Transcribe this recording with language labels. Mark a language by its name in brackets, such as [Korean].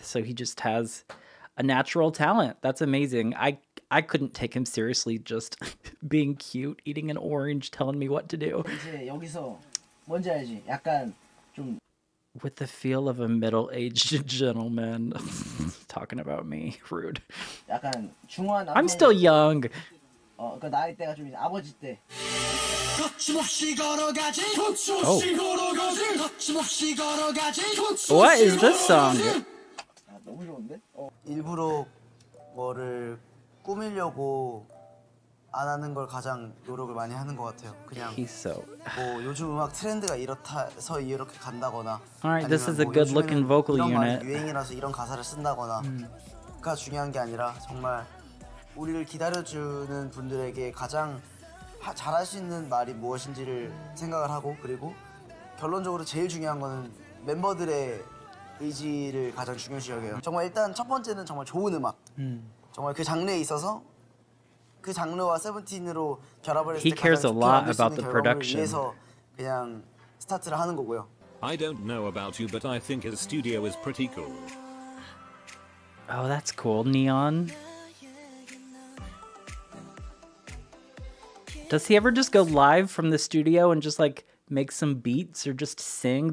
[English] So he just has a natural talent. That's amazing. I couldn't take him seriously just being cute, eating an orange, telling me what to do. [Korean] 이제 여기서 뭔지 알지? 약간 좀 [English] with the feel of a middle-aged gentleman talking about me. Rude. [Korean] 약간 중후한 [English] 남자. I'm still young. [Korean] 그 나이대가 좀 이제 아버지 때. 거침없이 걸어가지. [English] Oh. What is this song? [Korean] 너무 좋은데? 일부러 뭐를 꾸미려고 안 하는 걸 가장 노력을 많이 하는 것 같아요. 그냥 [English] so... [Korean] 뭐 요즘 음악 트렌드가 이렇다서 이렇게 간다거나. [English] Alright, this is a good-looking vocal unit. [Korean] 이런 말이 유행이라서 이런 가사를 쓴다거나. 그가 중요한 게 아니라 정말 우리를 기다려주는 분들에게 가장 잘할 수 있는 말이 무엇인지를 생각을 하고 그리고 결론적으로 제일 중요한 거는 멤버들의 의지를 가장 중요시 여겨요. 정말 일단 첫 번째는 정말 좋은 음악. 정말 그 장르에 있어서 그 장르와 세븐틴으로 결합을 했을 때 가장 중요할 수 있는 결과물을 production. 위해서 그냥 스타트를 하는 거고요. [English] I don't know about you, but I think his studio is pretty cool. Oh, that's cool. Neon. Does he ever just go live from the studio and just like make some beats or just sing?